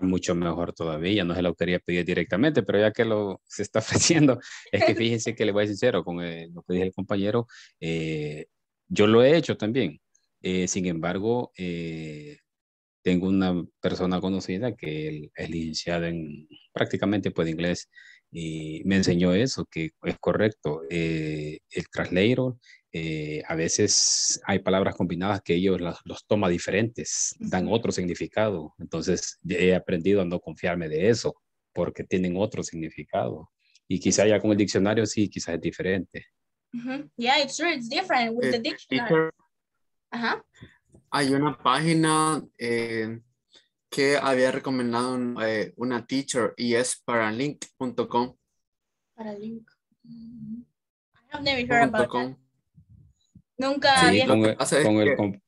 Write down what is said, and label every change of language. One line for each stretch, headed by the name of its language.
Spanish: Mucho mejor todavía, no se lo quería pedir directamente, pero ya que lo se está ofreciendo, es que fíjense que le voy a decir sincero con lo que dije el compañero, yo lo he hecho también, sin embargo, tengo una persona conocida que es licenciada en prácticamente pues, inglés y me enseñó eso, que es correcto, el translator. A veces hay palabras combinadas que ellos los toma diferentes, dan otro significado. Entonces he aprendido a no confiarme de eso porque tienen otro significado. Y quizá ya con el diccionario sí, quizás es diferente. Mm-hmm.
English: Yeah, it's true, it's different with the dictionary. Uh-huh.
Spanish: Hay una página que había recomendado una teacher y es paralink.com.
English: Paralink. I've never heard about that.
Spanish: Nunca